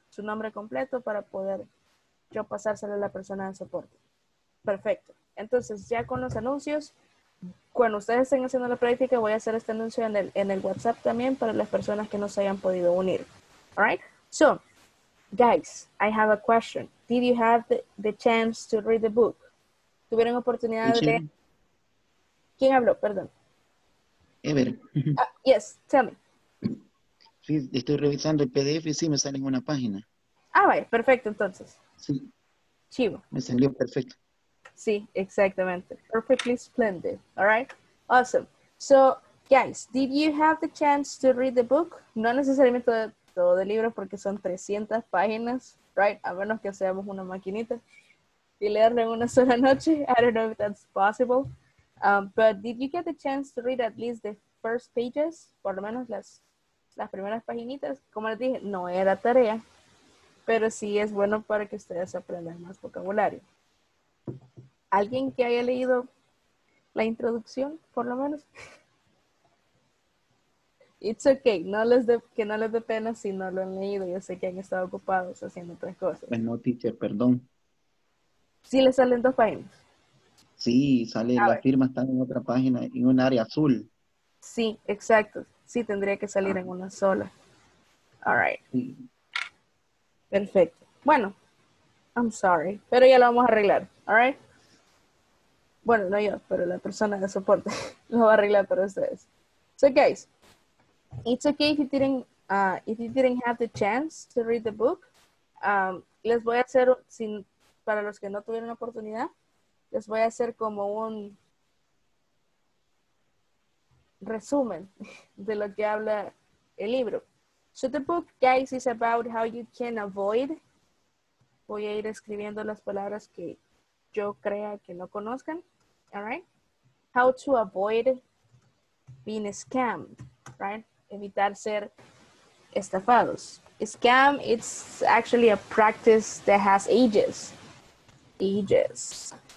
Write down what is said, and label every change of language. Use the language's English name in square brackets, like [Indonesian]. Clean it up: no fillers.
[Spanish] Su nombre completo para poder yo pasárselo a la persona de soporte. Perfecto. Entonces, ya con los anuncios, cuando ustedes estén haciendo la práctica, voy a hacer este anuncio en el WhatsApp también para las personas que no se hayan podido unir. [English] All right? So, guys, I have a question. Did you have the chance to read the book? [Spanish] ¿Tuvieron oportunidad de leer? ¿Quién habló? Perdón. Ever. [English] Yes, tell me. [Spanish] Sí, estoy revisando el PDF y sí me sale en una página. Ah, vale. Perfecto, entonces. Sí. Chivo. Me salió perfecto. Sí, exactamente. [English] Perfectly splendid. All right? Awesome. So, guys, did you have the chance to read the book? [Spanish] No necesariamente todo el libro porque son 300 páginas, right? A menos que seamos una maquinita y leerlo en una sola noche. [English] I don't know if that's possible. But did you get the chance to read at least the first pages? [Spanish] Por lo menos las primeras paginitas. Como les dije, no era tarea, pero sí es bueno para que ustedes aprendan más vocabulario. ¿Alguien que haya leído la introducción, por lo menos? [English] It's okay, [Spanish] no les dé pena si no lo han leído. Yo sé que han estado ocupados haciendo otras cosas. Pues no, teacher, perdón. ¿Sí le salen dos páginas? Sí, sale, a la ver. Firma está en otra página, en un área azul. Sí, exacto. Sí, tendría que salir en una sola. [English] All right. [Spanish] Sí. Perfecto. Bueno, [English] I'm sorry, [Spanish] pero ya lo vamos a arreglar. [English] All right. [Spanish] Bueno, no yo, pero la persona de soporte lo va a arreglar para ustedes. [English] So guys, it's okay if you didn't have the chance to read the book. [Spanish] Les voy a hacer, para los que no tuvieron la oportunidad, les voy a hacer como un resumen de lo que habla el libro. [English] So the book, guys, is about how you can avoid. [Spanish] Voy a ir escribiendo las palabras que yo crea que no conozcan. [English] All right, how to avoid being scammed, right? [Spanish] Evitar ser estafados. [English] Scam, it's actually a practice that has ages. Ages.